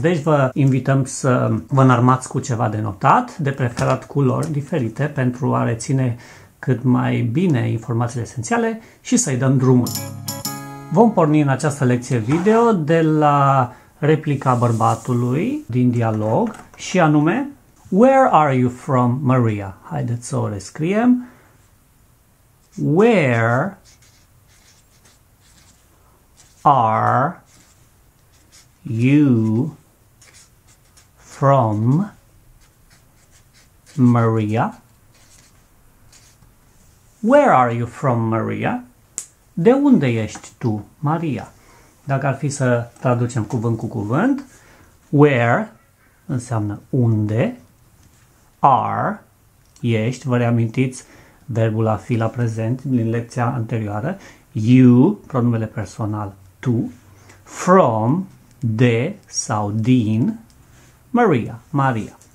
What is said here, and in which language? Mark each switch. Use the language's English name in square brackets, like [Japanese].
[Romanian] Deci vă invităm să vă înarmați cu ceva de notat, de preferat culori diferite, pentru a reține cât mai bine informațiile esențiale și să-i dăm drumul. Vom porni în această lecție video de la replica bărbatului din dialog și anume [English] Where are you from, Maria? [Romanian] Haideți să o rescriem. [English] Where are you from, Maria? Where are you from, Maria? [Romanian] De unde ești tu, Maria? Dacă ar fi să traducem cuvânt cu cuvânt, where înseamnă unde, are, ești, vă reamintiți verbul a fi la prezent din lecția anterioară, you, pronumele personal, tu, from, de sau din, Maria, Maria.